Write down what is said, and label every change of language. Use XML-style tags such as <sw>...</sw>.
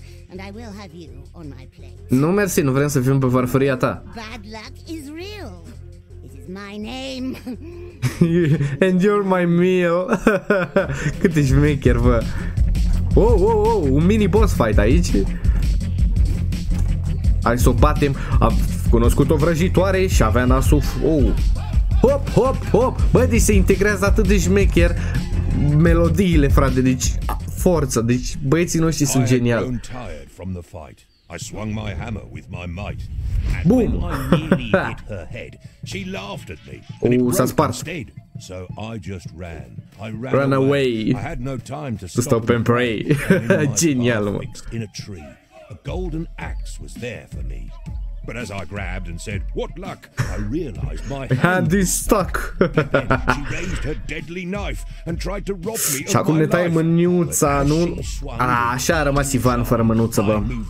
<en>And I will have you on my plate.</en> <ro>Nu, mersi, nu vrem să fim pe farfuria ta.</ro> <en>Bad luck is real. This is my name. And you're my meal.</en> <ro>Cât ești maker, bă. Oh, oh, oh, un mini boss fight aici. Hai să o batem. A cunoscut o vrăjitoare și avea nasul. Oh. Hop, hop, hop. Bă, deci se integrează atât de șmecher melodiile, frate, deci forță, deci băieții noștri sunt geniali.</ro> <en>I'm tired from the fight. I swung my hammer with my might. Boom. Her head. She laughed at me.</en> <ro>S-a spart.</ro> <en>So I just ran. I ran away. I had no time to stop and pray.</en> <ro>Genial, mă.</ro> <en>In a tree, a golden axe was there for me. But as I grabbed and said, "What luck?" I realized my hand is stuck. She raised her deadly knife and tried to rob me.</en> <ro>Și acum ne taie mânuța, nu? Așa a rămas Ivan fără mânuță, bă.</ro>